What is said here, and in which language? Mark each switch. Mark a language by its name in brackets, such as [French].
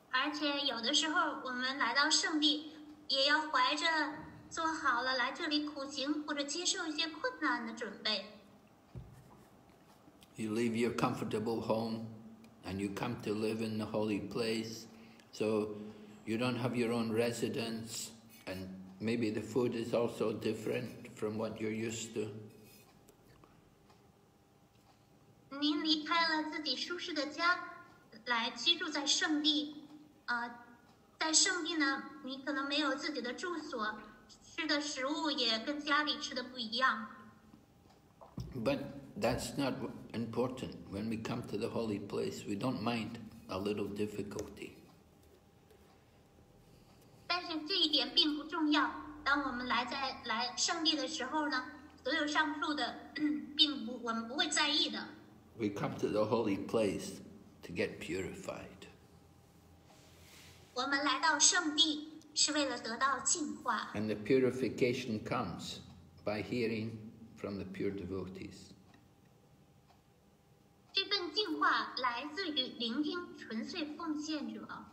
[English] You leave your comfortable home and you come to live in the holy place. So you don't have your own residence, and maybe the food is also different from what you're used to. [Chinese] 您离开了自己舒适的家，来居住在圣地。在圣地呢，你可能没有自己的住所，吃的食物也跟家里吃的不一样。 [English] But that's not important. When we come to the holy place, we don't mind a little difficulty. [Chinese] 但是这一点并不重要。当我们来圣地的时候呢，所有上述的并不，我们不会在意的。 [English] We come to the holy place to get purified. [Chinese] 我们来到圣地是为了得到净化。 [English] And the purification comes by hearing from the pure devotees. [Chinese] 这份净化来自于聆听纯粹奉献者。